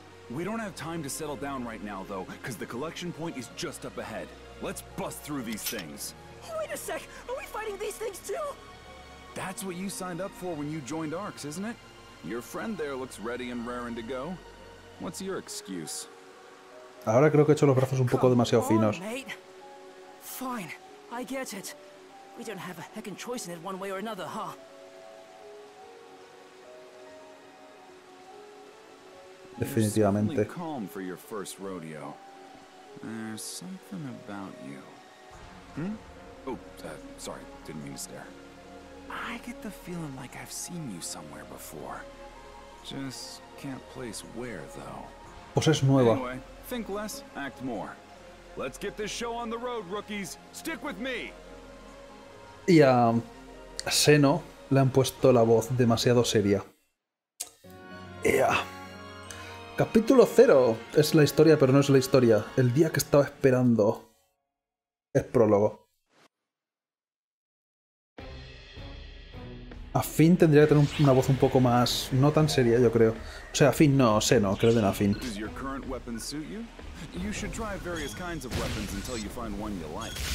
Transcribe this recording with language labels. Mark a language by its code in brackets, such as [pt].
[en] We don't have time to settle down right now though, because the collection point is just up ahead. Let's bust through these things. Wait a sec! Are we fighting these things too? That's what you signed up for when you joined ARCS, isn't it? Your friend there looks ready and raring to go. What's your excuse? [es] Ahora creo que he hecho los brazos un poco demasiado finos. [en] Come on, mate. Fine, I get it. We don't have a heckin' choice in it one way or another, huh? [es] Definitivamente. [en] You're calm for your first rodeo. There's something about you. Sorry, didn't mean to stare. I get the feeling like I've seen you somewhere before. Just can't place where, though. [es] Pues es nueva. [en] Anyway, think less, act more. Let's get this show on the road, rookies. Stick with me. [es] Y a Seno le han puesto la voz demasiado seria. Yeah. Capítulo 0 es la historia, pero no es la historia. El día que estaba esperando es prólogo. A Finn tendría que tener una voz un poco más... no tan seria, yo creo. O sea, a Finn no, Seno, creo que den a Finn. [en] ¿Tu current weapon suit you? You should try various kinds of weapons until you find one you like.